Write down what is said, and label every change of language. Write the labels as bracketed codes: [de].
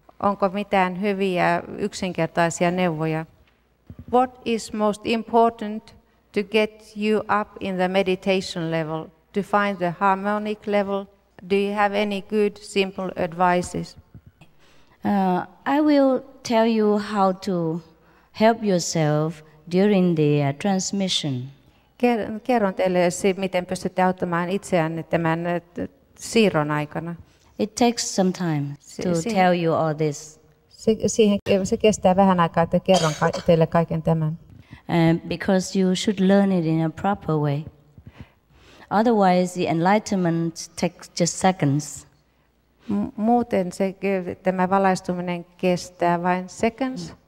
[fi] Onko mitään hyviä yksinkertaisia neuvoja? [en] What is most important to get you up in the meditation level, to find the harmonic level? Do you have any good, simple advices? I will tell you how to help yourself during the transmission. [fi] Kerron teille, miten pystytte auttamaan itseänne tämän siirron aikana. [en] It takes some time to tell you all this. [fi] Se kestää vähän aikaa, että kerron teille kaiken tämän. [en] Because you should learn it in a proper way. Otherwise, the enlightenment takes just seconds. [fi] Muuten tämä valaistuminen kestää vain seconds?